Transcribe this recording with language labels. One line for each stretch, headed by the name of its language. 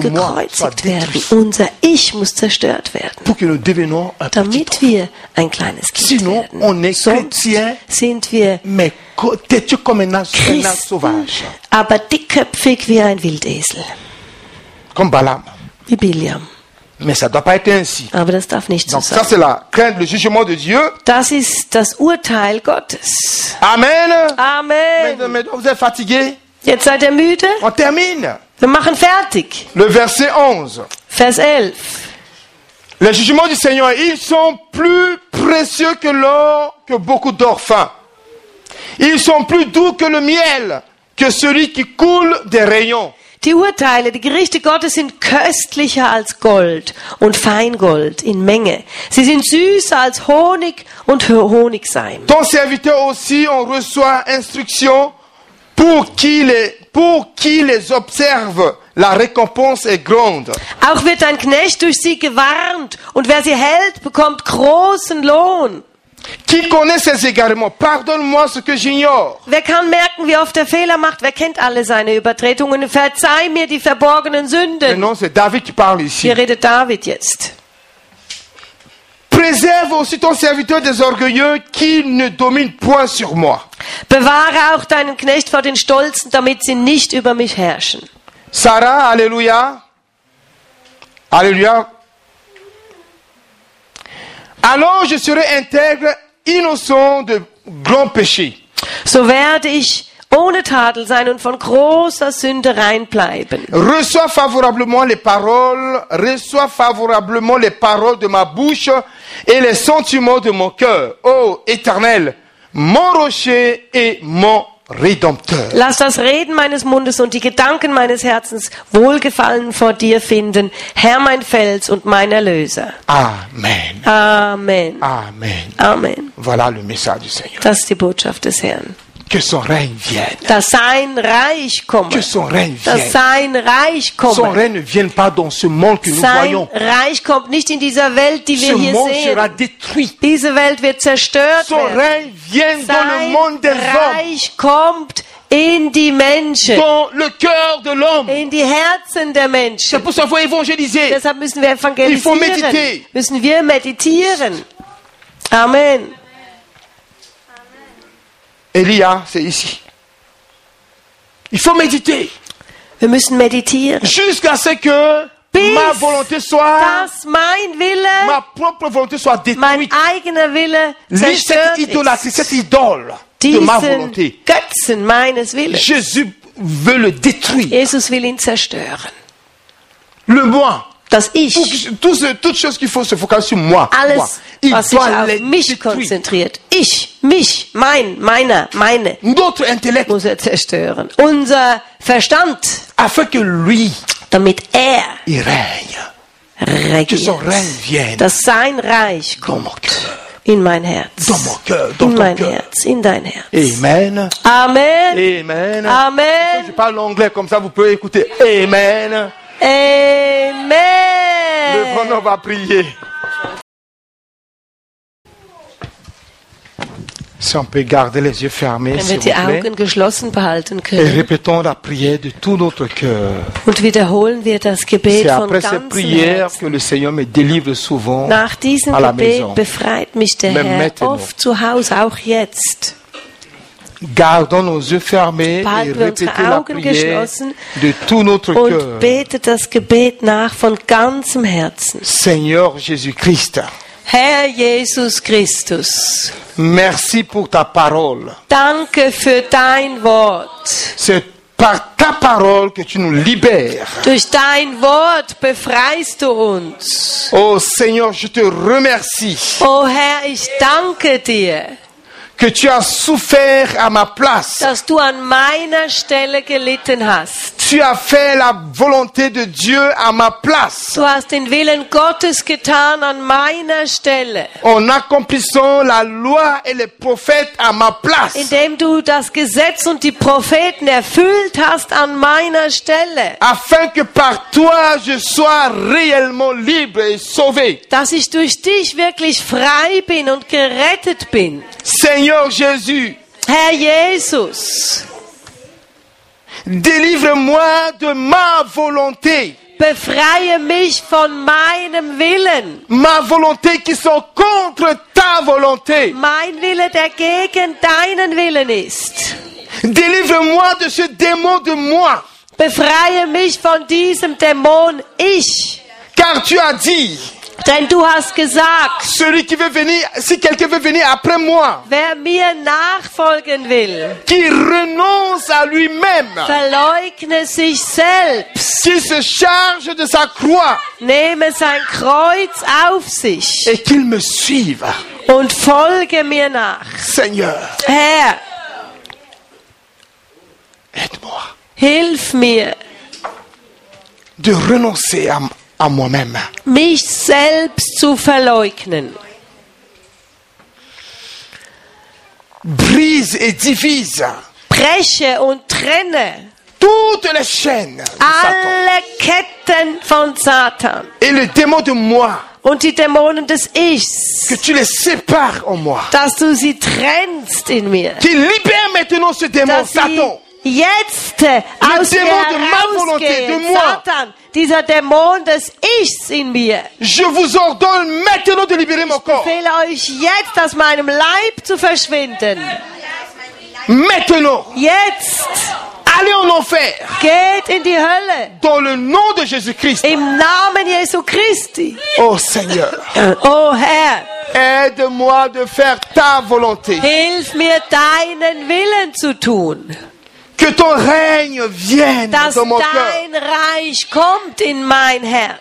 German: muss gekreuzigt werden. Unser Ich muss zerstört werden.
French: Pour que nous devenons un
German: damit
French: petit enfant.
German: Wir ein kleines Kind
French: sinon,
German: werden.
French: On est
German: sonst
French: chrétien,
German: sind wir
French: mais têtu comme un sauvage.
German: Aber dickköpfig wie ein Wildesel.
French: Comme Balaam.
German: Wie Bileam.
French: Mais ça doit pas être ainsi.
German: Aber das darf nicht
French: donc,
German: so sein.
French: Ça, c'est la crainte, le jugement de Dieu.
German: Das ist das Urteil Gottes.
French: Amen.
German: Amen.
French: Mais vous êtes fatigué.
German: Jetzt seid ihr müde.
French: On termine.
German: Wir machen fertig.
French: Le verset 11.
German: Vers 11.
French: Les jugements du Seigneur, ils sont plus précieux que l'or que beaucoup d'or fin. Ils sont plus doux que le miel, que celui qui coule des rayons.
German: Die Urteile, die Gerichte Gottes sind köstlicher als Gold und Feingold in Menge. Sie sind süßer als Honig und Honigseim.
French: Ton serviteur aussi on reçoit instruction pour qu'il est pour qui les observe, la récompense est grande.
German: Auch wird ein Knecht durch sie gewarnt, und wer sie hält, bekommt großen Lohn.
French: Qui connaît ses égarements? Pardonne-moi ce que j'ignore.
German: Wer kann merken, wie oft er Fehler macht? Wer kennt alle seine Übertretungen? Verzeih mir die verborgenen Sünden.
French: Mais non, c'est David qui parle ici.
German: Hier redet David jetzt.
French: Préserve aussi ton serviteur des orgueilleux qui ne domine point sur moi.
German: Bewahre auch deinen Knecht vor den Stolzen, damit sie nicht über mich herrschen.
French: Sarah, Alleluia. Alleluia. Alors je serai intègre, innocent de grands péchés.
German: So werde ich ohne Tadel sein und von großer Sünde rein bleiben.
French: Reçois favorablement les paroles, reçois favorablement les paroles de ma bouche et les sentiments de mon cœur, ô Éternel, mon rocher et mon rédempteur.
German: Lass das Reden meines Mundes und die Gedanken meines Herzens wohlgefallen vor dir finden, Herr mein Fels und mein Erlöser.
French: Amen.
German: Amen.
French: Amen.
German: Amen.
French: Voilà le message du Seigneur.
German: Das ist die Botschaft des Herrn.
French: Que son règne vienne.
German: Dass sein Reich komme.
French: Que son règne vienne.
German: Dass sein Reich komme.
French: Son règne ne vienne pas dans ce monde que nous
German: sein
French: voyons.
German: Sein Reich kommt nicht in dieser Welt, die
French: ce
German: wir hier
French: monde
German: sehen.
French: Sera détruit.
German: Diese Welt wird zerstört
French: son
German: werden.
French: Règne vienne
German: sein
French: dans le monde des
German: Reich
French: hommes.
German: Kommt in die Menschen.
French: Dans le cœur de l'homme.
German: In die Herzen der Menschen.
French: C'est pour ça faut évangéliser.
German: Deshalb müssen wir evangelisieren.
French: Il faut méditer.
German: Müssen wir meditieren. Amen.
French: Elia, c'est ici. Il faut méditer.
German: Wir müssen meditieren.
French: Jusqu'à ce que
German: bis
French: ma volonté soit,
German: dass mein Wille,
French: ma propre volonté soit détruite,
German: mein eigener Wille zerstört ist.
French: Cette idole de ma volonté.
German: Götzen meines Willens.
French: Jésus veut le détruire.
German: Jesus will ihn zerstören.
French: Le moi.
German: Das ich.
French: Toute chose qu'il faut se focaliser sur moi.
German: Alles,
French: moi.
German: Was sich auf mich konzentriert. Ich, mich, mein, meine, meine.
French: Notre intellect.
German: Muss er zerstören. Unser Verstand.
French: Afin que lui.
German: Damit er.
French: Il règne.
German: Regiert.
French: Que son règne vienne.
German: Dass sein Reich kommt. In mein Herz.
French: Dans mon coeur, dans
German: in mein
French: coeur.
German: Herz. In dein Herz.
French: Amen.
German: Amen.
French: Amen.
German: Amen.
French: Je parle anglais comme ça, vous pouvez écouter. Amen. Amen. Le bon homme va prier. Si on peut garder les yeux fermés,
German: wenn wir die Augen geschlossen behalten können.
French: Et répétons la prière de tout notre cœur.
German: Und wiederholen wir das Gebet von ganzem Herzen.
French: C'est après cette prière que le Seigneur me délivre souvent.
German: Nach diesem Gebet
French: à la maison.
German: Befreit mich der
French: Même
German: Herr
French: maintenant.
German: Oft zu Hause, auch jetzt.
French: Gardons nos yeux fermés
German: Behalten
French: et répétons la prière
German: geschlossen
French: de tout notre cœur.
German: Und betet das Gebet nach von ganzem Herzen.
French: Seigneur Jésus-Christ.
German: Herr Jesus Christus.
French: Merci pour ta parole.
German: Danke für dein Wort.
French: C'est par ta parole que tu nous libères.
German: Durch dein Wort befreist du uns.
French: Oh Seigneur, je te remercie.
German: Oh Herr, ich danke dir.
French: Que tu as souffert à ma place.
German: Dass du an meiner Stelle gelitten hast.
French: Tu as fait la volonté de Dieu à ma place.
German: Du hast den Willen Gottes getan an meiner Stelle.
French: En accomplissant la loi et les prophètes à ma place.
German: Indem du das Gesetz und die Propheten erfüllt hast an meiner Stelle.
French: Afin que par toi je sois réellement libre et sauvé.
German: Dass ich durch dich wirklich frei bin und gerettet bin.
French: Seigneur Jésus.
German: Herr Jesus.
French: Délivre-moi de ma volonté.
German: Befreie mich von meinem Willen.
French: Ma volonté qui sont contre ta volonté.
German: Mein Wille, der gegen deinen Willen ist.
French: Délivre-moi de ce démon de moi.
German: Befreie mich von diesem Dämon ich.
French: Car tu as dit.
German: Denn du hast gesagt.
French: Celui qui veut venir, si quelqu'un veut venir après moi.
German: Wer mir nachfolgen will.
French: Qui renonce à lui-même.
German: Verleugne sich selbst.
French: Qui se charge de sa croix.
German: Nehme sein Kreuz auf sich.
French: Et qu'il me suive.
German: Und folge mir nach.
French: Seigneur.
German: Herr.
French: Aide-moi.
German: Hilf mir.
French: De renoncer à à moi-même.
German: Mich selbst zu verleugnen.
French: Brise et divise.
German: Breche und trenne.
French: Toutes les chaînes.
German: Alle Ketten von Satan.
French: Et le démon de moi.
German: Und die Dämonen des Ichs.
French: Que tu les sépares en moi.
German: Dass du sie trennst in mir.
French: Qui libère maintenant ce démon Satan.
German: Jetzt aus mir herausgehe, Satan, dieser Dämon des Ichs in mir.
French: Je vous ordonne maintenant de libérer mon corps.
German: Ich befehle euch jetzt, aus meinem Leib zu verschwinden.
French: Maintenant.
German: Jetzt.
French: Allez en enfer.
German: Geht in die Hölle.
French: Dans le nom de Jésus Christ.
German: Im Namen Jesu Christi.
French: Oh Seigneur.
German: Oh Herr.
French: Aide-moi de faire ta volonté.
German: Hilf mir, deinen Willen zu tun.
French: Que ton règne vienne
German: dass
French: dans mon cœur.
German: Dein Reich kommt in mein Herz.